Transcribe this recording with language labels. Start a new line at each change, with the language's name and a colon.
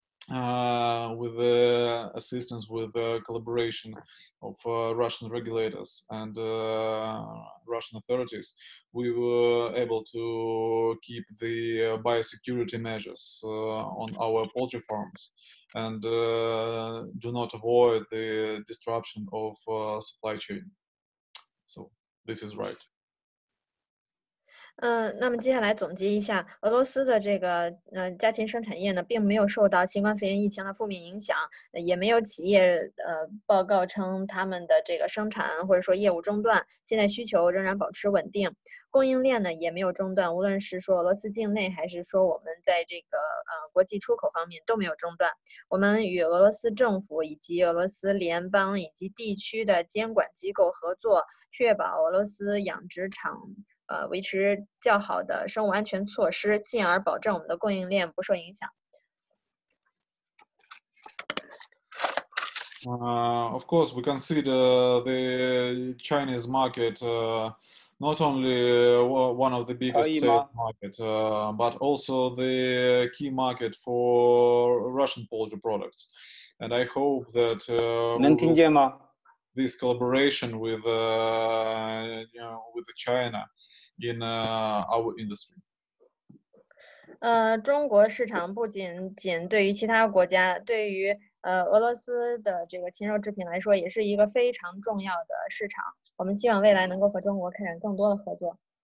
English: With the assistance, with the collaboration of Russian regulators and Russian authorities, we were able to keep the biosecurity measures on our poultry farms and do not avoid the disruption of supply chain. So this is right.
Chinese: 那么接下来总结一下，俄罗斯的这个家禽生产业呢，并没有受到新冠肺炎疫情的负面影响，也没有企业报告称他们的这个生产或者说业务中断，现在需求仍然保持稳定，供应链呢也没有中断，无论是说俄罗斯境内还是说我们在这个国际出口方面都没有中断。我们与俄罗斯政府以及俄罗斯联邦以及地区的监管机构合作，确保俄罗斯养殖场维持较好的生物安全措施，进而保证我们的供应链不受影响。
English: Of course, we consider the Chinese market not only one of the biggest sales market, but also the key market for Russian poultry products. And I hope that
Chinese: 能听见吗？
English: This collaboration with with China in our industry.
Chinese: 中国市场不仅对于其他国家，对于俄罗斯的这个禽肉制品来说，也是一个非常重要的市场。我们希望未来能够和中国开展更多的合作。